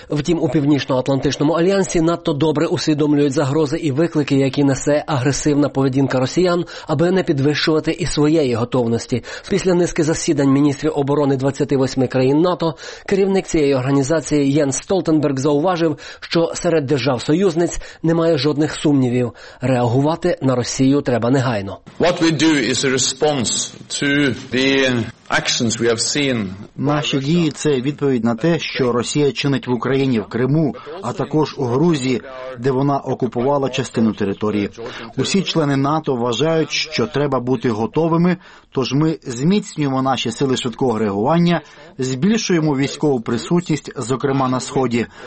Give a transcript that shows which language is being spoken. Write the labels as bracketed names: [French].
[Ukrainian] Втім, у Північно-Атлантичному альянсі надто добре усвідомлюють загрози і виклики, які несе агресивна поведінка росіян, аби не підвищувати і своєї готовності. Після низки засідань міністрів оборони 28 країн НАТО, керівник цієї організації Єнс Столтенберг зауважив, що серед держав-союзниць немає жодних сумнівів. Реагувати на Росію треба негайно. [English] What we do is a response to the actions we have seen. [Ukrainian] Наші дії – це відповідь на те, що Росія чинить в Україні, в Криму, а також у Грузії, де вона окупувала частину території. Усі члени НАТО вважають, що треба бути готовими, тож ми зміцнюємо наші сили швидкого реагування, збільшуємо військову присутність, зокрема на Сході.